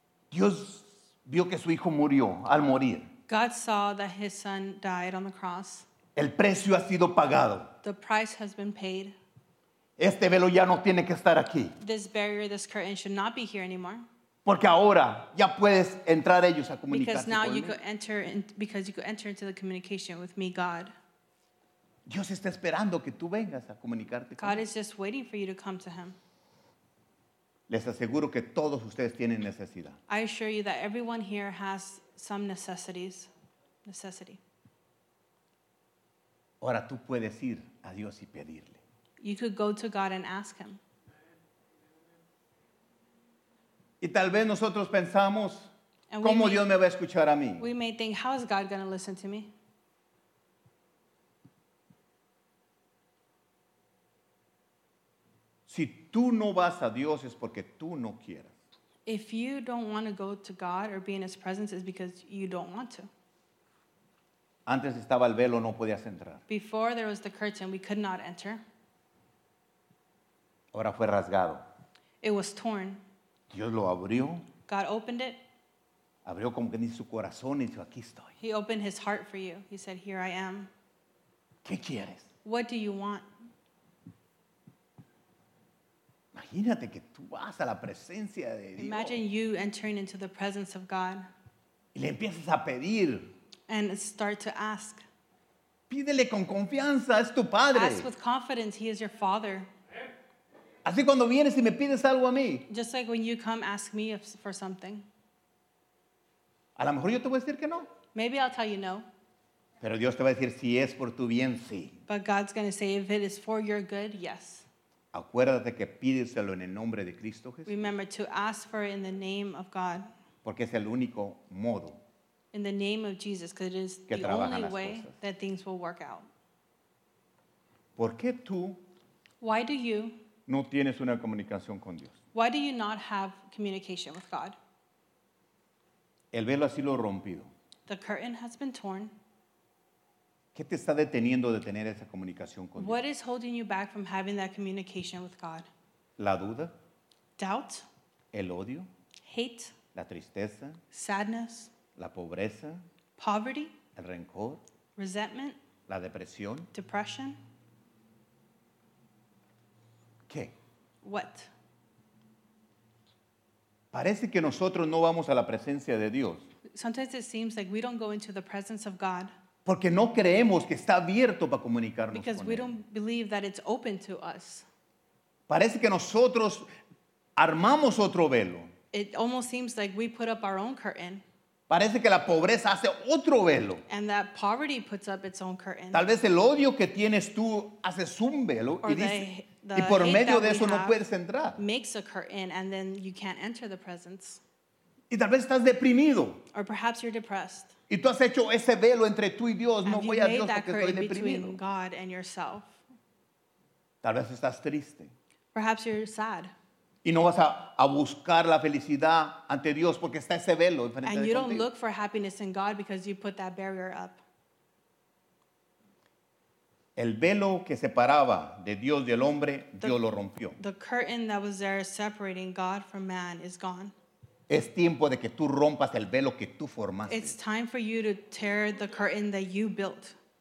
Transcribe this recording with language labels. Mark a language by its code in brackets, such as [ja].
[es] Dios vio que su hijo murió al morir. [en] God saw that his son died on the cross. [es] El precio ha sido pagado. [en] The price has been paid. [es] Este velo ya no tiene que estar aquí. [en] This barrier, this curtain should not be here anymore. [es] Porque ahora ya puedes entrar ellos a comunicarse conmigo. [en] Because now you could enter in, because you could enter into the communication with me, God. [es] Dios está esperando que tú vengas a comunicarte conmigo. [en] God is just waiting for you to come to him. [es] Les aseguro que todos ustedes tienen necesidad. [en] I assure you that everyone here has some necessities. Necessity. [es] Ahora tú puedes ir a Dios y pedirle. [en] You could go to God and ask him. [es] Y tal vez nosotros pensamos, ¿cómo Dios me va a escuchar a mí? [en] We may think, how is God going to listen to me? [es] Si tú no vas a Dios es porque tú no quieres. [en] If you don't want to go to God or be in his presence, it's because you don't want to. [es] Antes estaba el velo, no podías entrar. [en] Before there was the curtain, we could not enter. [es] Ahora fue rasgado. [en] It was torn. [es] Dios lo abrió. [en] God opened it. [es] Abrió como que dice su corazón y dijo, aquí estoy. [en] He opened his heart for you. He said, here I am. [es] ¿Qué quieres? [en] What do you want? [es] Imagínate que tú vas a la presencia de Dios. [en] Imagine you entering into the presence of God. [es] Y le empiezas a pedir. [en] And start to ask. [es] Pídele con confianza, es tu padre. [en] Ask with confidence, he is your father. [es] Así cuando vienes y me pides algo a mí. [en] Just like when you come ask me for something. [es] A lo mejor yo te voy a decir que no. [en] Maybe I'll tell you no. [es] Pero Dios te va a decir si es por tu bien, sí. [en] But God's going to say if it is for your good, yes. [es] Acuérdate que pídeselo en el nombre de Cristo Jesús. [en] Remember to ask for it in the name of God. [es] Porque es el único modo. [en] In the name of Jesus, because it is the only way [es] cosas. [en] That things will work out. [es] ¿Por qué tú? [en] Why do you? [es] No tienes una comunicación con Dios. [en] Why do you not have communication with God? [es] El velo ha sido rompido. [en] The curtain has been torn. [es] ¿Qué te está deteniendo de tener esa comunicación con Dios? [en] What is holding you back from having that communication with God? [es] La duda. [en] Doubt. [es] El odio. [en] Hate. [es] La tristeza. [en] Sadness. [es] La pobreza. [en] Poverty. [es] El rencor. [en] Resentment. [es] La depresión. [en] Depression. [es] ¿Qué? [en] What? [es] Parece que nosotros no vamos a la presencia de Dios. [en] Sometimes it seems like we don't go into the presence of God. [es] Porque no creemos que está abierto para comunicarnos [en] because [es] con [en] we [es] él. [en] Don't believe that it's open to us. [es] Parece que nosotros armamos otro velo. [en] It almost seems like we put up our own curtain. [es] Parece que la pobreza hace otro velo. [en] And that poverty puts up its own curtain. [es] Tal vez el odio que tienes tú haces un velo [en] or [es] y dices... Y por medio de eso no puedes entrar. [en] Makes a curtain and then you can't enter the presence. [es] Y tal vez estás deprimido. [en] Or perhaps you're depressed. [es] Y tú has hecho ese velo entre tú y Dios. [en] Have [es] no voy a Dios porque estoy deprimido. [en] Between God and yourself. [es] Tal vez estás triste. [en] Perhaps you're sad. [es] Y no vas a buscar la felicidad ante Dios porque está ese velo enfrente de ti. [en] And you don't [es] contigo. [en] Look for happiness in God because you put that barrier up. [es] El velo que separaba de Dios del hombre, Dios lo rompió. [en] The curtain that was there separating God from man is gone. [es] Es tiempo de que tú rompas el velo que tú formaste. [en] It's time for you to tear the curtain that you built.